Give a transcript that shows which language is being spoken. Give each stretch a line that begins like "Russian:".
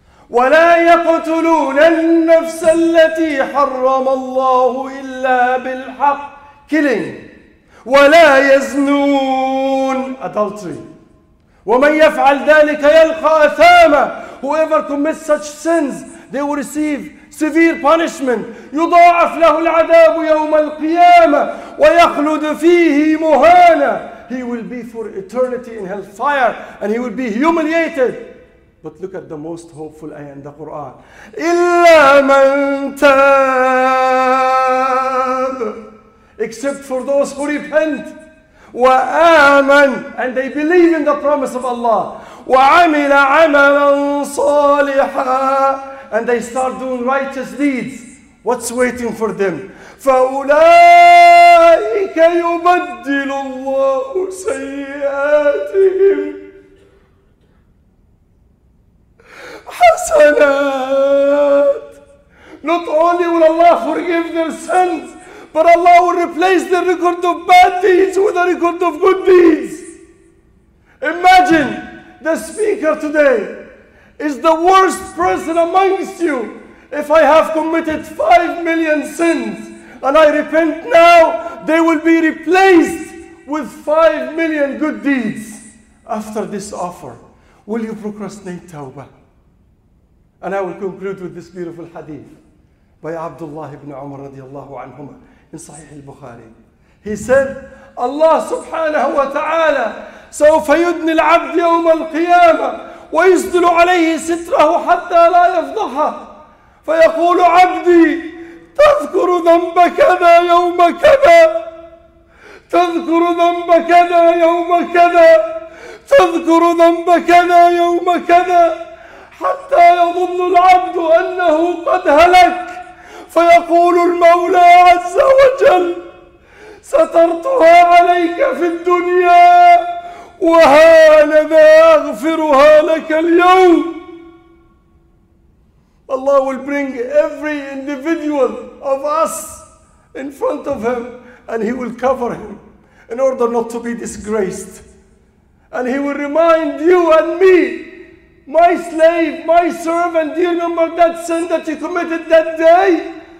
Arabic: وَلَا يَقْتُلُونَ النَّفْسَ الَّتِي حَرَّمَ اللَّهُ إِلَّا بِالْحَقِّ.
English: Killing.
Arabic: ولا يزنون.
English: Adultery.
Arabic: ومن يفعل ذلك يلقى أثاما.
English: Whoever commits such sins, they will receive severe punishment.
Arabic: يضاعف له العذاب يوم القيامة ويخلد فيه مهانا.
English: He will be for eternity in hellfire and he will be humiliated. But look at the most hopeful ayah in the Quran.
Arabic: إلا من تاب.
English: Except for those who repent,
Arabic: وآمن,
English: and they believe in the promise of Allah,
Arabic: وعمل عملا صالحا,
English: and they start doing righteous deeds. What's waiting for them?
Arabic: فأولئك يبدل الله سيئاتهم حسنات.
English: Not only will Allah forgive their sins, but Allah will replace the record of bad deeds with a record of good deeds. Imagine the speaker today is the worst person amongst you. If I have committed 5 million sins and I repent now, they will be replaced with 5 million good deeds. After this offer, will you procrastinate tawbah? And I will conclude with this beautiful hadith by Abdullah ibn Umar radiallahu anhuma. In Sahih al-Bukhari, he said, Allah subhanahu wa ta'ala
Arabic: سوف يدني العبد يوم القيامة ويسدل عليه ستره حتى لا يفضحه فيقول عبدي تذكر ذنب كذا يوم كذا تذكر ذنب كذا يوم كذا تذكر ذنب كذا يوم كذا حتى يظن العبد أنه قد هلك فيقول المولى عز وجل سترتها عليك في الدنيا وهانذا أغفرها لك اليوم.
English: Allah will bring every individual of us in front of Him and He will cover him in order not to be disgraced. And He will remind you and me, my slave, my servant, do you remember that sin that you committed that day?